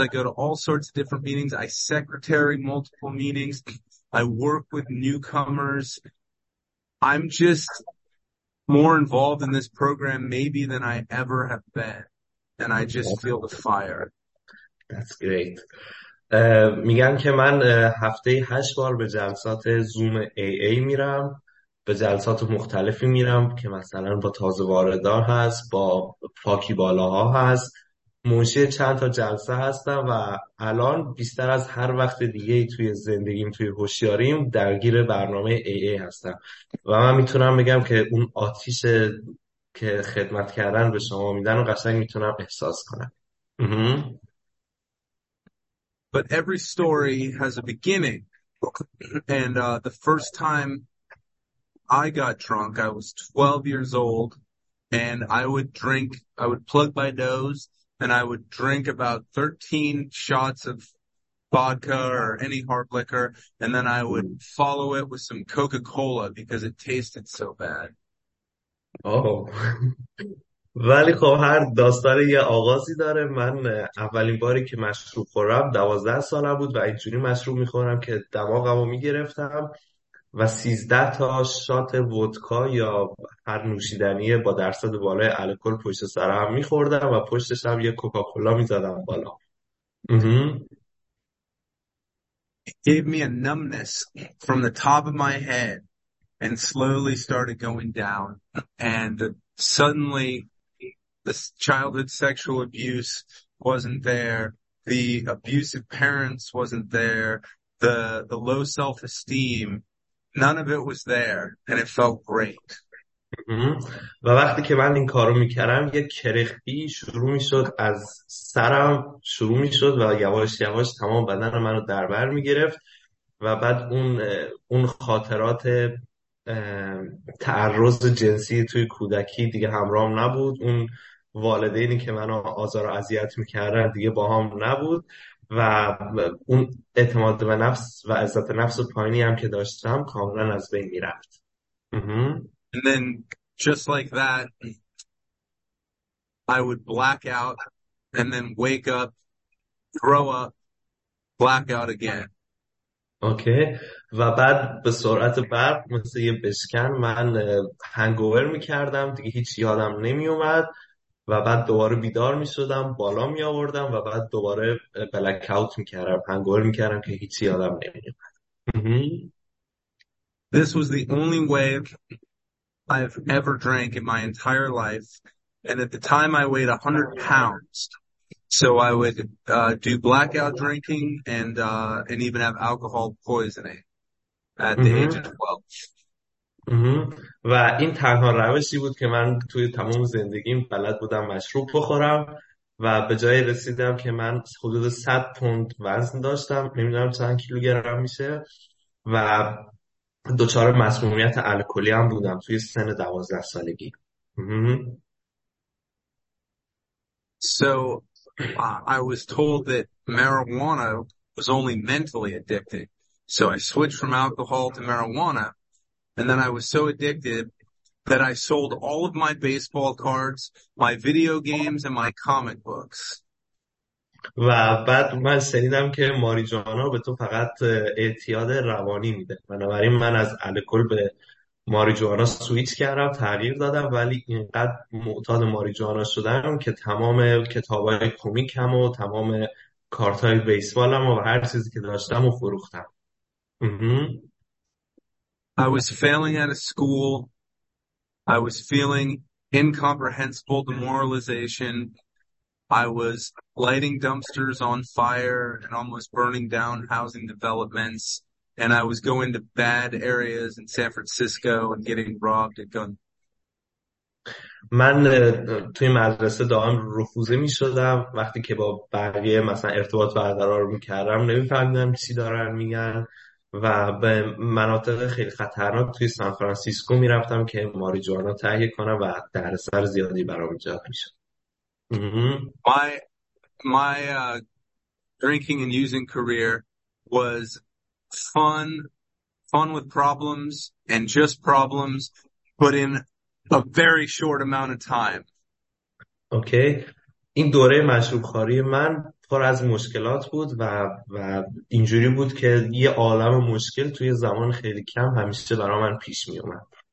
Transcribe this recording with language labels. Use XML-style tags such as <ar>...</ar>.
<en>I go to all sorts of different meetings. I secretary multiple meetings. I work with newcomers. I'm just more involved in this program maybe than I ever have been. And I just feel the fire. That's great.</en> <fa>میگن که من هفته 8 بار به جلسات زوم AA میرم، به جلسات مختلفی میرم که مثلا با تازه واردان هست، با پاکی بالاها هست، منشی چند تا جلسه هستم و الان بیشتر از هر وقت دیگه توی زندگیم توی هوشیاریم درگیر برنامه AA هستم و من میتونم بگم که اون آتیش که خدمت کردن به شما میدن و قشنگ میتونم احساس کنم.</fa> <en>But every story has a beginning. And the first time I got drunk, I was 12 years old, and I would plug my nose, and I would drink about 13 shots of vodka or any hard liquor, and then I would follow it with some Coca-Cola because it tasted so bad. Oh.</en> <fa>ولی خب هر داستان یه آغازی داره. من اولین باری که مشروب خورم 12 سالم بود و اینجوری مشروب میخورم که دماغم رو میگرفتم و 13 تا شات ودکا یا هر نوشیدنی با درصد بالای الکل پشت سرم میخوردم و پشتش هم یه کوکاکولا میزدم بالا.</fa> <en>Gave me a numbness from the top of my head and slowly started going down and suddenly the childhood sexual abuse wasn't there. The abusive parents wasn't there. The low self-esteem, none of it was there. And it felt great.</en> <fa>و وقتی که من این کارو میکردم یه کرختی شروع میشد، از سرم شروع میشد و یواش یواش تمام بدن منو در بر میگرفت و بعد اون خاطرات تعرض جنسی توی کودکی دیگه همراهم نبود، اون والدینی که منو آزار و اذیت میکردن دیگه باهام نبود و اون اعتماد به نفس و عزت نفس و پایینی هم که داشتم کاملا از بین میرفت.</fa> <en>And then, just like that, I would black out and then wake up, throw up, black out again. Okay.</en> <fa>و بعد به سرعت برق مثل یه بشکن من هنگوور میکردم دیگه، هیچ یادم نمی اومد و بعد دوباره بیدار میشدم، بالا می آوردم و بعد دوباره بلک اوت میکردم، هنگوور میکردم که هیچ یادم نمی اومد.</fa> <en>This was the only way I've ever drank in my entire life, and at the time I weighed 100 pounds, so I would do blackout drinking and even have alcohol poisoning at the age of 12.</en> <fa>و این تنها روشی بود که من توی تمام زندگیم بلد بودم مشروب بخورم و به جای رسیدم که من حدود 100 پوند وزن داشتم، نمیدونم چند کیلوگرم میشه، و دچار مسمومیت الکلی هم بودم توی سن 12 سالگی.</fa> <en>So I was told that marijuana was only mentally addicted. So I switched from alcohol to marijuana. And then I was so addicted that I sold all of my baseball cards, my video games, and my comic books.</en> <fa>و بعد من شنیدم که ماریجوانا به تو فقط اعتیاد روانی میده، بنابراین من از الکل به ماریجوانا سویچ کردم، تغییر دادم، ولی اینقدر معتاد ماریجوانا شدم که تمام کتابای کمیکم و تمام کارتای بیسبالم و هر چیزی که داشتم و فروختم.</fa> <en>I was failing out of school. I was feeling incomprehensible demoralization. I was lighting dumpsters on fire and almost burning down housing developments. And I was going to bad areas in San Francisco and getting robbed at gunpoint.</en> <fa>من توی مدرسه دائم رفوزه می شدم، وقتی که با بقیه مثلا ارتباط برقرار می کردم نمی فهمیدم چی دارن میگن و به مناطق خیلی خطرناک توی سان فرانسیسکو می رفتم که ماریجوانا تهیه کنم و دردسر زیادی برام ایجاد می شد.</fa> <en>My drinking and using career was fun with problems and just problems, but in a very short amount of time. Okay.</en> <fa>این دوره مشروب خواری من پر از مشکلات بود و اینجوری بود که یه عالم مشکل توی زمان خیلی کم همیشه برای من پیش می اومد.</fa>